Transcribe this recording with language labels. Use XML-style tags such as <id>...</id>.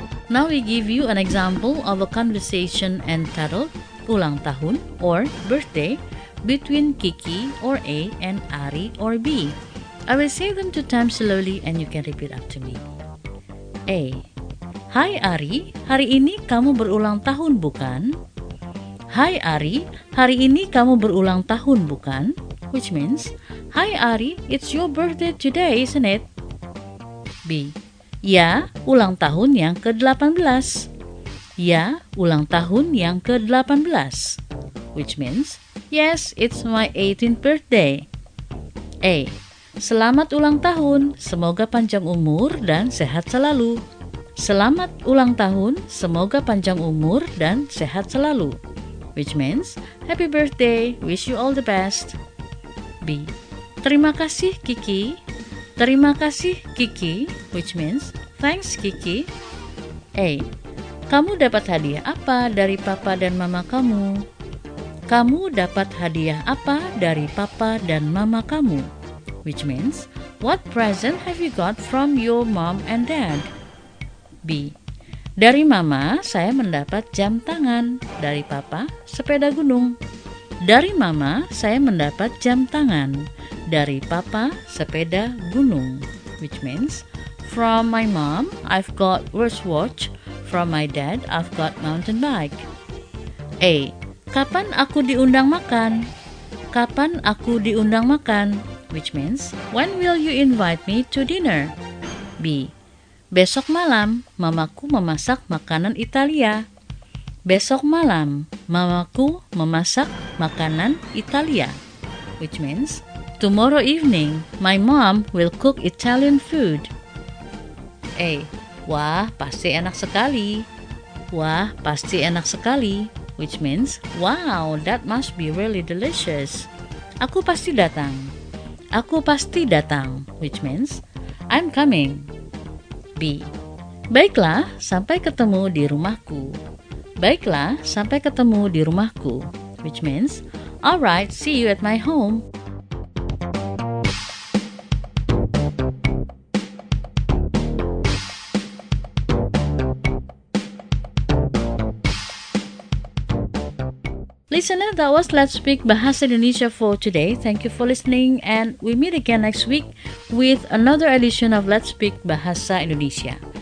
<en>Now we give you an example of a conversation entitled Ulang Tahun or Birthday between Kiki or A and Ari or B. I will say them 2 times slowly and you can repeat after me. A.</en> <id>Hai Ari, hari ini kamu berulang tahun bukan? Hai Ari, hari ini kamu berulang tahun bukan?</id> <en>Which means, Hai Ari, it's your birthday today, isn't it? B.</en> <id>Ya, ulang tahun yang ke-18. Ya, ulang tahun yang ke-18.</id> <en>Which means, yes, it's my 18th birthday. A.</en> <id>Selamat ulang tahun, semoga panjang umur dan sehat selalu. Selamat ulang tahun, semoga panjang umur dan sehat selalu.</id> <en>Which means, happy birthday, wish you all the best.</en> <id>B. Terima kasih, Kiki. Terima kasih, Kiki,</id> <en>which means thanks, Kiki.</en> <id>A. Kamu dapat hadiah apa dari papa dan mama kamu? Kamu dapat hadiah apa dari papa dan mama kamu?</id> <en>Which means, what present have you got from your mom and dad?</en> <id>B. Dari mama, saya mendapat jam tangan. Dari papa, sepeda gunung. Dari mama, saya mendapat jam tangan. Dari papa, sepeda gunung.</id> <en>Which means, from my mom, I've got wristwatch. From my dad, I've got mountain bike. A.</en> <id>Kapan aku diundang makan? Kapan aku diundang makan?</id> <en>Which means, when will you invite me to dinner?</en> <id>B. Besok malam, mamaku memasak makanan Italia. Besok malam, mamaku memasak makanan Italia.</id> <en>Which means, tomorrow evening, my mom will cook Italian food.</en> <id>Wah, pasti enak sekali. Wah, pasti enak sekali.</id> <en>Which means, wow, that must be really delicious.</en> <id>Aku pasti datang. Aku pasti datang.</id> <en>Which means, I'm coming. B.</en> <id>Baiklah, sampai ketemu di rumahku. Baiklah, sampai ketemu di rumahku.</id> <en>Which means, alright, see you at my home. Listener, that was Let's Speak Bahasa Indonesia for today. Thank you for listening, and we meet again next week with another edition of Let's Speak Bahasa Indonesia.</en>